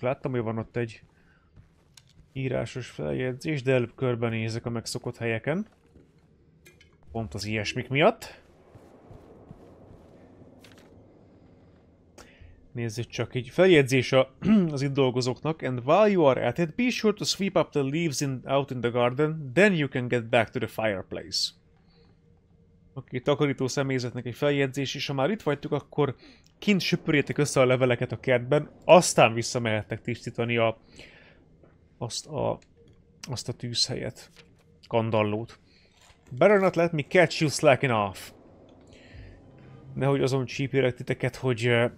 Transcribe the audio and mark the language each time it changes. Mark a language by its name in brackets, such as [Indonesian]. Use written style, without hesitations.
[Hungarian] Láttam, hogy van ott egy írásos feljegyzés, de előbb körbenézek a megszokott helyeken. Pont az ilyesmik miatt. Nézzük csak így, feljegyzés az itt dolgozóknak. [English] And while you are at it, be sure to sweep up the leaves out in the garden, then you can get back to the fireplace. [Hungarian] Oké, takarító személyzetnek egy feljegyzés, és ha már itt vagytok, akkor kint söpörjétek össze a leveleket a kertben, aztán visszamehettek tisztítani azt a tűzhelyet, kandallót. [English] Better not let me catch you slacking off. [Hungarian] Nehogy azon csípjélek titeket, hogy...